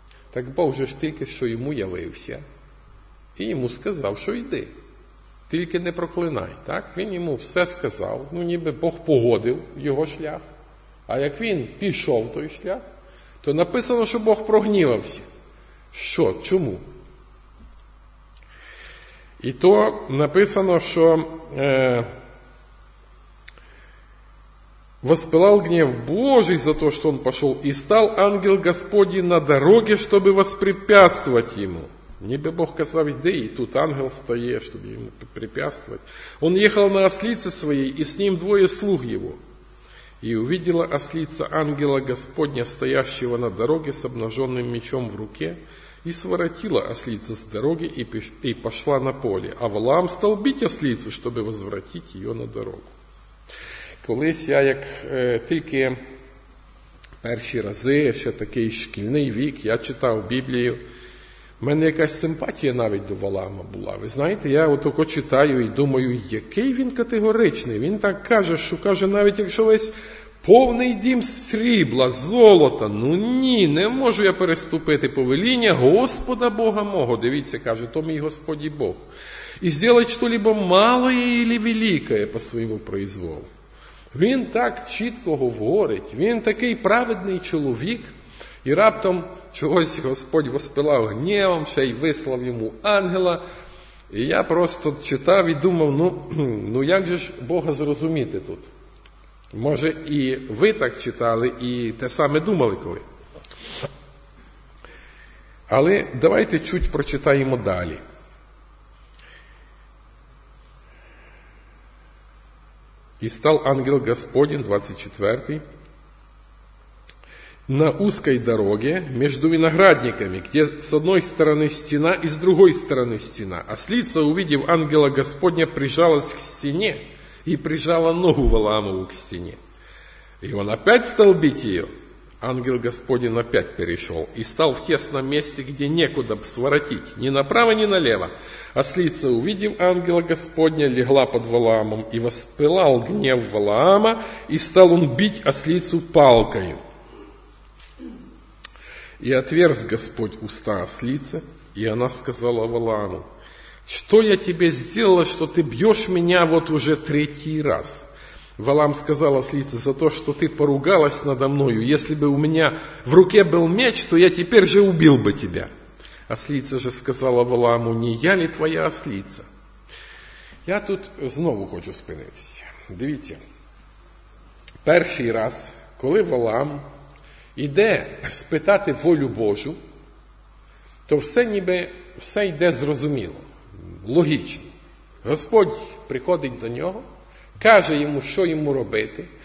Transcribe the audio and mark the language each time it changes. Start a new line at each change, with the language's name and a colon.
Ukrainian: Так Бог же ж тільки що йому явився і йому сказав, що йди, тільки не проклинай. Так? Він йому все сказав, ну ніби Бог погодив його шлях. А як він пішов той шлях, то написано, що Бог прогнівався. Що? Чому? І то написано, що
Russian: воспылал гнев Божий за то, что он пошел, и стал ангел Господи на дороге, чтобы воспрепятствовать ему. Небе Бог казав, иди, и тут ангел стоит, чтобы ему препятствовать. Он ехал на ослице своей, и с ним двое слуг его. И увидела ослица ангела Господня, стоящего на дороге с обнаженным мечом в руке, и своротила ослица с дороги и пошла на поле. А Валаам стал бить ослицу, чтобы возвратить ее на дорогу.
Ukrainian: Колись я, як тільки перші рази, ще такий шкільний вік, я читав Біблію, в мене якась симпатія навіть до Валаама була. Ви знаєте, я отако читаю і думаю, який він категоричний. Він так каже, що каже, навіть якщо весь повний дім срібла, золота, ну ні, не можу я переступити повеління Господа Бога мого. Дивіться, каже, то мій Господь і Бог. І зробити щось малое або велике по своєму произволу. Він так чітко говорить, він такий праведний чоловік, і раптом чогось Господь воспилав гнівом, ще й вислав йому ангела, і я просто читав і думав, ну як же ж Бога зрозуміти тут? Може і ви так читали, і те саме думали коли. Але давайте чуть прочитаємо далі.
Russian: И стал ангел Господень, 24-й, на узкой дороге между виноградниками, где с одной стороны стена и с другой стороны стена. Ослица, увидев ангела Господня, прижалась к стене и прижала ногу Валаамову к стене. И он опять стал бить ее. Ангел Господень опять перешел и стал в тесном месте, где некуда б своротить, ни направо, ни налево. Ослица, увидев ангела Господня, легла под Валаамом и воспылал гнев Валаама, и стал он бить ослицу палкою. И отверз Господь уста ослицы, и она сказала Валааму: Что я тебе сделала, что ты бьешь меня вот уже третий раз? Валаам сказал ослице: за то, что ты поругалась надо мною. Если бы у меня в руке был меч, то я теперь же убил бы тебя. Ослица же сказала Валааму: не я ли твоя ослица?
Ukrainian: Я тут знову хочу спинитися. Дивіться, перший раз, коли Валаам іде спитати волю Божу, то все ніби, все йде зрозуміло, логічно. Господь приходить до нього, каже йому, що йому робити.